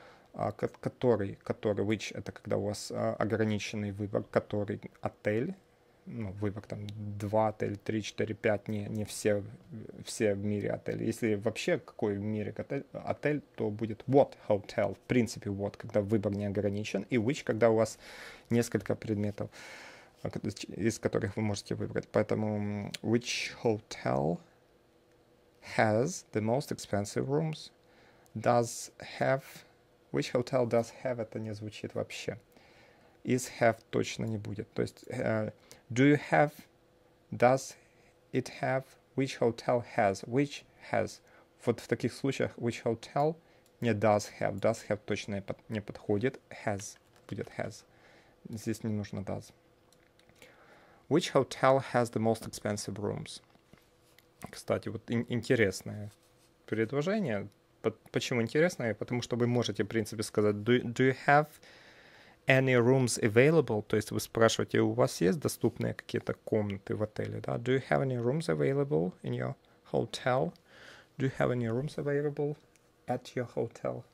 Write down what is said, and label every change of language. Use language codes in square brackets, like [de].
[ru] Который, which, это когда у вас ограниченный выбор, который отель, ну, выбор там 2 отель, 3, 4, 5, не все в мире отели. Если вообще какой в мире отель, то будет [en] what hotel, [ru] в принципе what, когда выбор не ограничен, и which, когда у вас несколько предметов, из которых вы можете выбрать. Поэтому [en] which hotel has the most expensive rooms, does have... Which hotel does have, [ru] это не звучит вообще. [en] Is have [ru] точно не будет. То есть, [en] do you have, does it have, which hotel has, which has. [ru] Вот в таких случаях [en] which hotel [ru] не [en] does have. Does have [ru] точно не подходит. [en] Has [ru] будет [en] has. [ru] Здесь не нужно [en] does. Which hotel has the most expensive rooms? [ru] Кстати, вот интересное предложение. Почему интересно? Потому что вы можете, в принципе, сказать [en] do you have any rooms available? [ru] То есть вы спрашиваете, у вас есть доступные какие-то комнаты в отеле, да? [en] Do you have any rooms available in your hotel? Do you have any rooms available at your hotel?